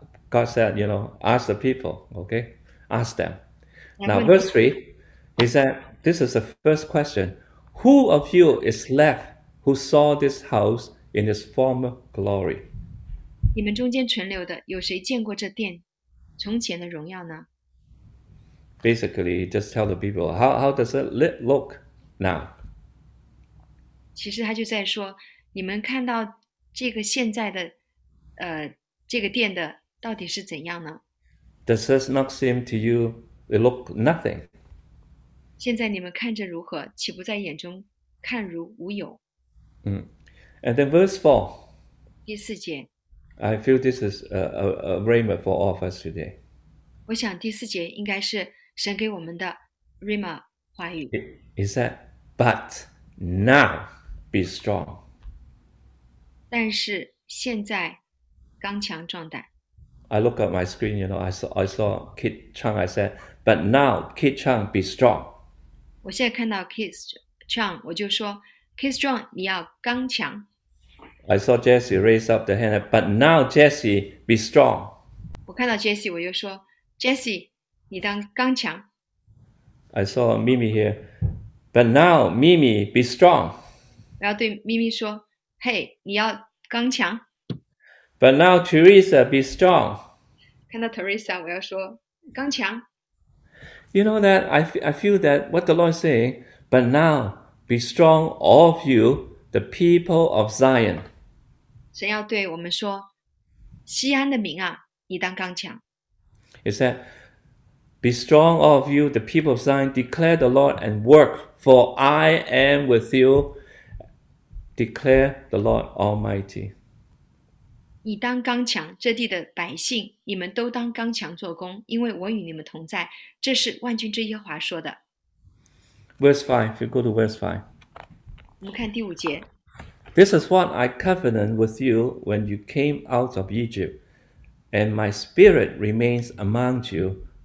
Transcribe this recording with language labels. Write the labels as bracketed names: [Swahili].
[English] God said, you know, ask the people, okay? Ask them. Now, verse 3, he said, this is the first question. Who of you is left who saw this house in its former glory? [Chinese] 你们中间存留的，有谁见过这殿从前的荣耀呢？ [English] Basically, just tell the people how does it look now? [Chinese] 其实他就在说，你们看到这个现在的，这个殿的到底是怎样呢？ [English] Does this not seem to you it look nothing? [Chinese] 现在你们看着如何，岂不在眼中看如无有？ [English] And then verse 4. [Chinese] 第四节。 [English] I feel this is a rhema for all of us today. [Chinese] 我想第四节应该是神给我们的 Rima 话语。 [English] He said, but now be strong. [Chinese] 但是现在刚强壮胆。 [English] I look at my screen, you know, I saw Kit Chang, I said, but now Kit Chang be strong. [Chinese] 我现在看到 Kit Chang, 我就说 Kit Strong, 你要刚强。 [English] I saw Jesse raise up the hand, but now Jesse be strong. [Chinese] 我看到 Jesse, 我就说 Jesse,你当刚强。 [English] I saw Mimi here, but now Mimi be strong. [Chinese] 我要对 Mimi 说，嘿，你要刚强。 [English] But now Teresa be strong. [Chinese] 看到 Teresa, 我要说刚强。 [English] You know that I feel that what the Lord is saying, but now be strong, all of you, the people of Zion. [Chinese] 神要对我们说，西安的民啊，你当刚强。 [English] He said. Be strong, all of you, the people of Zion, declare the Lord and work, for I am with you, declare the Lord Almighty. [Chinese] 你当刚强，这地的百姓，你们都当刚强做工，因为我与你们同在，这是万军之耶和华说的。 [English] Verse 5, if you go to verse 5. [Chinese] 我们看第五节。 [English] This is what I covenant with you when you came out of Egypt, and my spirit remains among you.